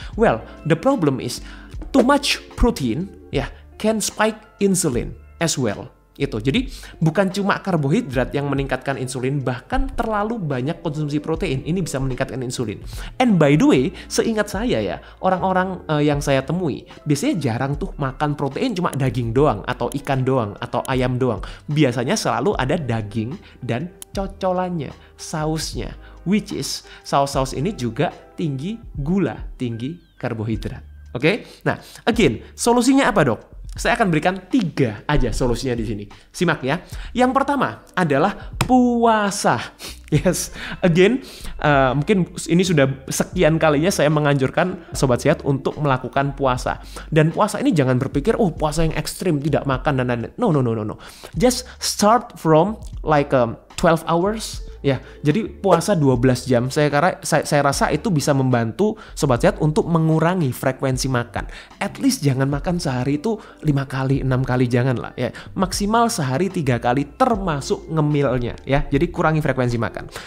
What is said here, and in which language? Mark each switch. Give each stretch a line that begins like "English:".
English: Well, the problem is too much protein, ya, can spike insulin as well.
Indonesian: Itu. Jadi bukan cuma karbohidrat yang meningkatkan insulin, bahkan terlalu banyak konsumsi protein ini bisa meningkatkan insulin.
English: And by the way,
Indonesian: seingat saya ya, orang-orang yang saya temui biasanya jarang tuh makan protein cuma daging doang atau ikan doang atau ayam doang. Biasanya selalu ada daging dan cocolannya, sausnya,
English: which is
Indonesian: saus-saus ini juga tinggi gula, tinggi karbohidrat. Oke? Okay? Nah, again, solusinya apa, Dok? Saya akan berikan 3 aja solusinya di sini. Simak ya. Yang pertama adalah puasa.
English: Yes, again,
Indonesian: mungkin ini sudah sekian kalinya saya menganjurkan Sobat Sehat untuk melakukan puasa. Dan puasa ini jangan berpikir, oh puasa yang ekstrim, tidak makan, dan lain-lain.
English: No. Just start from like 12 hours.
Indonesian: Ya, jadi puasa 12 jam, saya rasa itu bisa membantu Sobat Sehat untuk mengurangi frekuensi makan.
English: At least
Indonesian: jangan makan sehari itu 5 kali, 6 kali, jangan lah. Ya. Maksimal sehari 3 kali, termasuk ngemilnya. Ya. Jadi kurangi frekuensi makan.